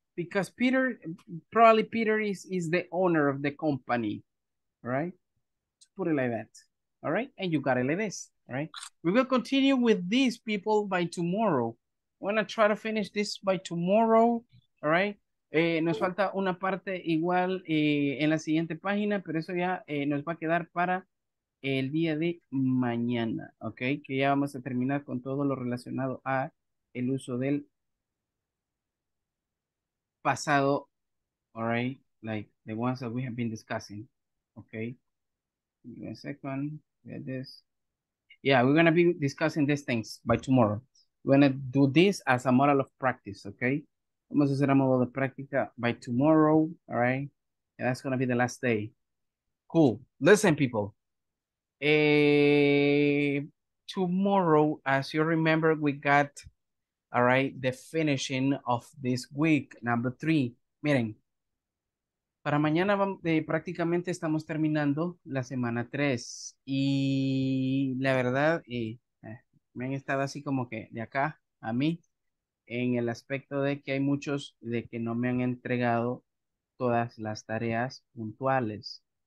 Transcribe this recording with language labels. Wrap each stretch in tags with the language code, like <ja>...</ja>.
<en>Because Peter, probably Peter is the owner of the company, right? Let's put it like that, all right? And you got it like this, all right? We will continue with these people by tomorrow. We're gonna try to finish this by tomorrow, all right?</en> <es>Nos falta una parte igual en la siguiente página, pero eso ya nos va a quedar para el día de mañana, ¿ok? Que ya vamos a terminar con todo lo relacionado a el uso del pasado, alright, like the ones that we have been discussing, ¿ok?</es> <en>Give me a second, get this. Yeah, we're gonna be discussing these things by tomorrow, We're going to do this as a model of practice, okay? Vamos a hacer a modo de práctica by tomorrow, all right? And that's going to be the last day. Cool. Listen, people. Tomorrow, as you remember, we got, all right, the finishing of this week, number three.</en> <es>Miren, para mañana prácticamente estamos terminando la semana tres. Y la verdad, me han estado así como que de acá a mí, en el aspecto de que hay muchos de que no me han entregado todas las tareas puntuales.</es>